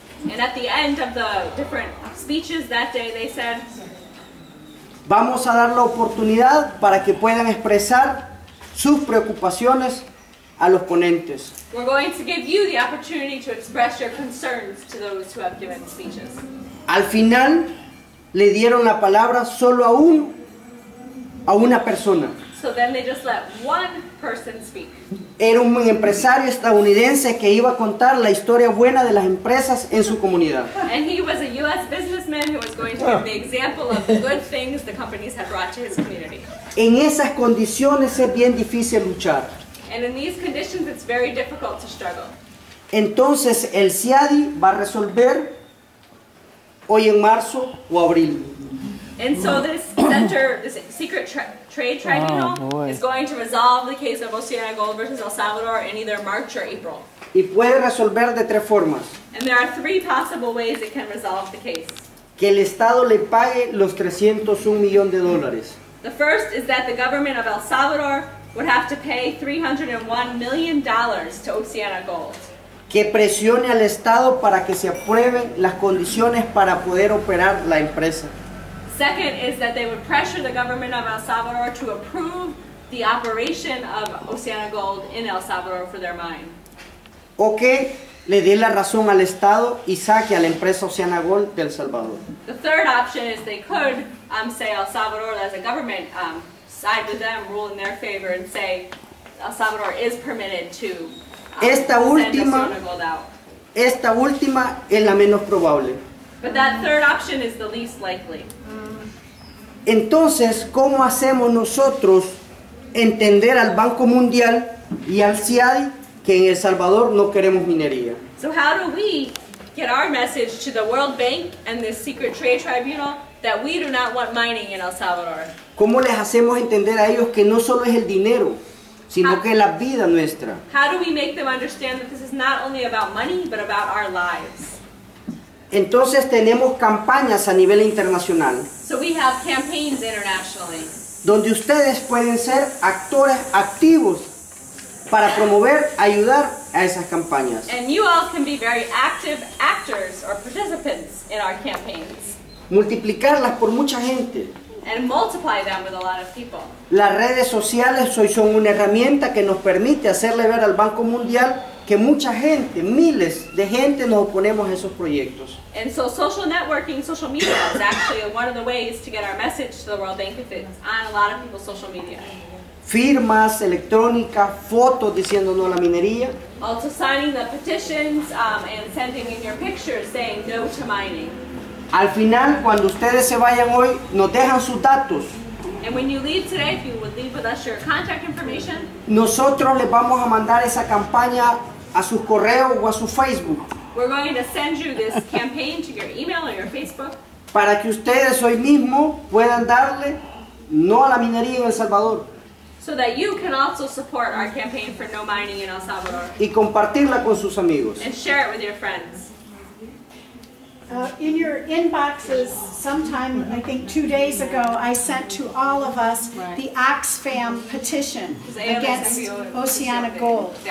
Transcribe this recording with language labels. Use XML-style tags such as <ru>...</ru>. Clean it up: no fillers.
<en>And at the end of the different speeches that day, they said.</en> <es>Vamos a dar la oportunidad para que puedan expresar sus preocupaciones a los ponentes.</es> <en>We're going to give you the opportunity to express your concerns to those who have given speeches.</en> <es>Al final, le dieron la palabra solo a una persona.</es> <en>So then they just let one person speak.</en> <es>Era un empresario estadounidense que iba a contar la historia buena de las empresas en su comunidad.</es> <en>And he was a U.S. businessman who was going to give the example of the good things the companies had brought to his community.</en> <es>En esas condiciones es bien difícil luchar.</es> <en>And in these conditions it's very difficult to struggle.</en> <es>Entonces el CIADI va a resolver hoy en marzo o abril.</es> <en>And so this center, this secret trade tribunal, is going to resolve the case of Oceana Gold versus El Salvador in either March or April.</en> <es>Y puede resolver de tres formas.</es> <en>And there are three possible ways it can resolve the case.</en> <es>Que el Estado le pague los 301 millones de dólares.</es> <en>The first is that the government of El Salvador would have to pay $301 million to Oceana Gold.</en> <es>Que presione al Estado para que se aprueben las condiciones para poder operar la empresa.</es> <en>Second is that they would pressure the government of El Salvador to approve the operation of Oceana Gold in El Salvador for their mine.</en> <es>O que le dé la razón al Estado y saque a la empresa Oceana Gold de El Salvador.</es> <en>The third option is they could say El Salvador as a government side with them, rule in their favor and say El Salvador is permitted to</en> <es>esta última es la menos probable.</es> <en>But that third option is the least likely.</en> <es>Entonces, ¿cómo hacemos nosotros entender al Banco Mundial y al CIADI que en El Salvador no queremos minería?</es> <en>So how do we get our message to the World Bank and the Secret Trade Tribunal that we do not want mining in El Salvador?</en> <es>¿Cómo les hacemos entender a ellos que no solo es el dinero, sino que la vida nuestra?</es> <en>How do we make them understand that this is not only about money, but about our lives?</en> <es>Entonces tenemos campañas a nivel internacional.</es> <en>So we have campaigns internationally.</en> <es>Donde ustedes pueden ser actores activos para promover, ayudar a esas campañas.</es> <en>And you all can be very active actors or participants in our campaigns.</en> <es>Multiplicarlas por mucha gente.</es> <en>And multiply them with a lot of people.</en> <es>Las redes sociales hoy son una herramienta que nos permite hacerle ver al Banco Mundial que mucha gente, miles de gente, nos oponemos a esos proyectos.</es> <en>And so social networking, social media is actually one of the ways to get our message to the World Bank if it's on a lot of people's social media.</en> <es>Firmas electrónicas, fotos diciendo no a la minería.</es> <en>Also signing the petitions and sending in your pictures saying no to mining.</en> <es>Al final, cuando ustedes se vayan hoy, nos dejan sus datos.</es> <en>And when you leave today, if you would leave with us your contact information,</en> <es>nosotros les vamos a mandar esa campaña a sus correos o a su Facebook.</es> <en>We're going to send you this campaign to your email or your Facebook.</en> <es>Para que ustedes hoy mismo puedan darle no a la minería en El Salvador.</es> <en>So that you can also support our campaign for no mining in El Salvador.</en> <es>Y compartirla con sus amigos.</es> <en>And share it with your friends. In your inboxes, sometime, I think 2 days ago, I sent to all of us the Oxfam petition against Oceana Gold.</en>